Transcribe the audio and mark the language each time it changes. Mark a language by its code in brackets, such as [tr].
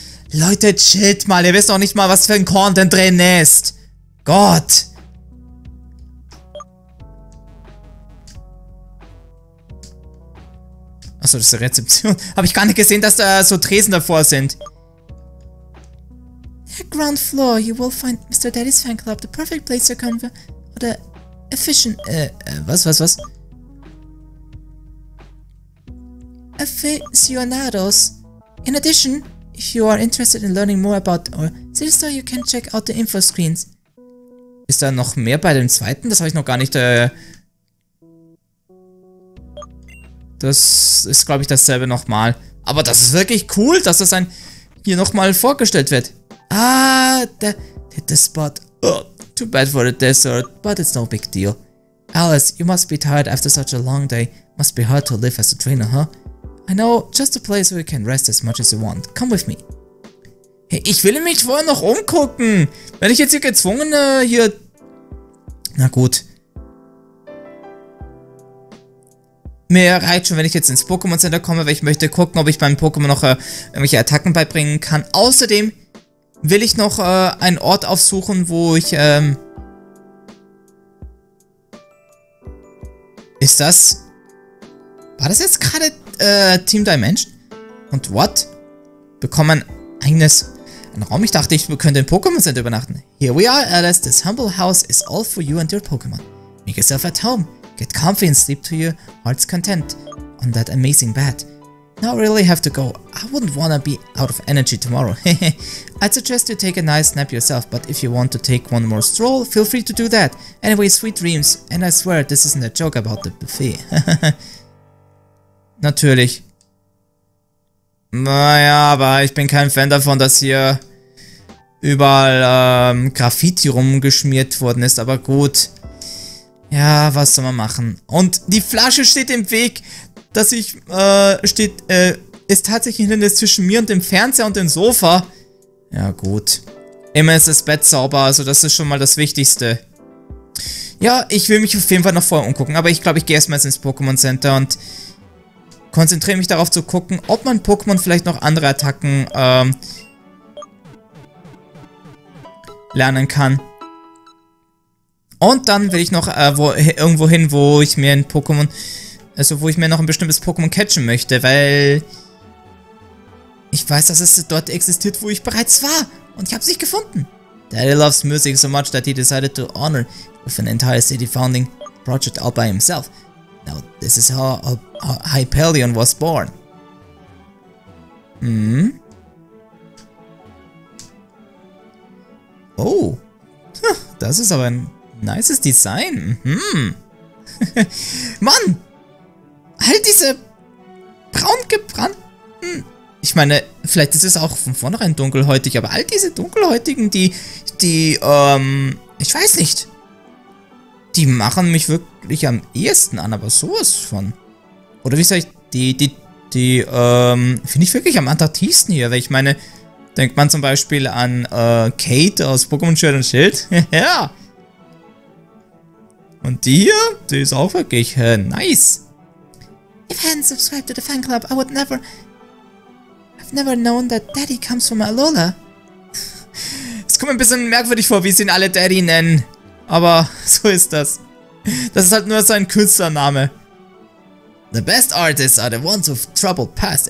[de] Leute, chillt mal, ihr wisst doch nicht mal, was für ein Korn denn drin ist. Gott. Achso, das ist eine Rezeption. Habe ich gar nicht gesehen, dass da so Tresen davor sind. [en] Ground floor, you will find Mr. Daddy's Fan Club, the perfect place to come for... [de] Oder efficient, was? [en] Aficionados. In addition, if you are interested in learning more about our city store, you can check out the info screens. [de] Ist da noch mehr bei dem zweiten? Das habe ich noch gar nicht, Das ist, glaube ich, dasselbe nochmal. Aber das ist wirklich cool, dass das ein hier nochmal vorgestellt wird. Ah, der Spot. [en] Too bad for the desert, but it's no big deal. Alice, you must be tired after such a long day. Must be hard to live as a trainer, huh? I know just a place where you can rest as much as you want. Come with me. [de] Hey, ich will mich vorher noch umgucken. Werde ich jetzt hier gezwungen, hier... Na gut. Mir reicht schon, wenn ich jetzt ins Pokémon Center komme, weil ich möchte gucken, ob ich meinem Pokémon noch irgendwelche Attacken beibringen kann. Außerdem... Will ich noch einen Ort aufsuchen, wo ich, ist das... War das jetzt gerade, Team Dimension? Und what? Bekommen einen Raum? Ich dachte, ich könnte im Pokémon Center übernachten. [en] Here we are, Alice. This humble house is all for you and your Pokémon. Make yourself at home. Get comfy and sleep to your heart's content. On that amazing bed. Now I really have to go. I wouldn't wanna be out of energy tomorrow. I'd suggest you take a nice nap yourself, but if you want to take one more stroll, feel free to do that. Anyway, sweet dreams, and I swear this isn't a joke about the buffet. [de] Natürlich. Naja, aber ich bin kein Fan davon, dass hier überall Graffiti rumgeschmiert worden ist, aber gut. Ja, was soll man machen? Und die Flasche steht im Weg! Dass ich, ist tatsächlich ein Hindernis zwischen mir und dem Fernseher und dem Sofa. Ja, gut. Immer ist das Bett sauber, also das ist schon mal das Wichtigste. Ja, ich will mich auf jeden Fall noch vorher umgucken, aber ich glaube, ich gehe erstmal ins Pokémon Center und konzentriere mich darauf zu gucken, ob mein Pokémon vielleicht noch andere Attacken lernen kann. Und dann will ich noch irgendwo hin, wo ich mir ein Pokémon, also wo ich mir noch ein bestimmtes Pokémon catchen möchte, weil ich weiß, dass es dort existiert, wo ich bereits war. Und ich habe es nicht gefunden. [en] Daddy loves music so much that he decided to honor with an entire city founding project all by himself. Now, this is how Hypaleon was born. Hm? [de] Oh. Huh, das ist aber ein nices Design. Hm. Mann! All diese braun gebrannten... Ich meine, vielleicht ist es auch von vornherein dunkelhäutig, aber all diese Dunkelhäutigen, ich weiß nicht. Die machen mich wirklich am ehesten an, aber sowas von. Oder wie soll ich, finde ich wirklich am attraktivsten hier, weil ich meine, denkt man zum Beispiel an, Kate aus Pokémon Schwert und Schild? Ja. Und die hier, die ist auch wirklich, nice. [en] If I hadn't subscribed to the fan club, I would never... Never known that Daddy comes from Alola. [de] Es kommt ein bisschen merkwürdig vor, wie sie ihn alle Daddy nennen. Aber so ist das. Das ist halt nur so ein Künstlername. [en] The best artists are the ones with troubled past.